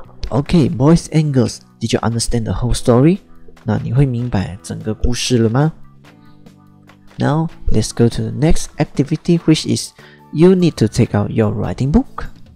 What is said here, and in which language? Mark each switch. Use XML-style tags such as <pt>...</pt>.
<en>Okay, boys and girls, did you understand the whole story?</en> <zh>那你会明白整个故事了吗？</zh> <en>Now, let's go to the next activity, which is you need to take out your writing book.</en>